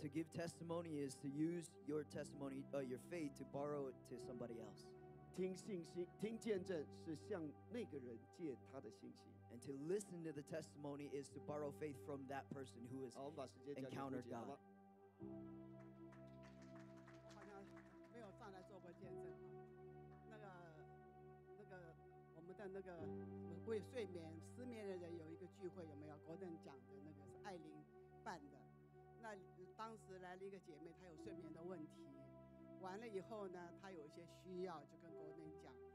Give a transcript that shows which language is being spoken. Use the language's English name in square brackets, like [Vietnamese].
[English] To give testimony is to use your testimony, your faith to borrow it to somebody else. [Chinese] 听信息，听见证是向那个人借他的信息。 [English] And to listen to the testimony is to borrow faith from that person who has encountered God. [Chinese] 我好像没有上来做过见证啊，我们的那个为睡眠失眠的人有一个聚会，有没有？国政讲的那个是艾琳办的。那当时来了一个姐妹，她有睡眠的问题，完了以后呢，她有一些需要，就跟国政讲。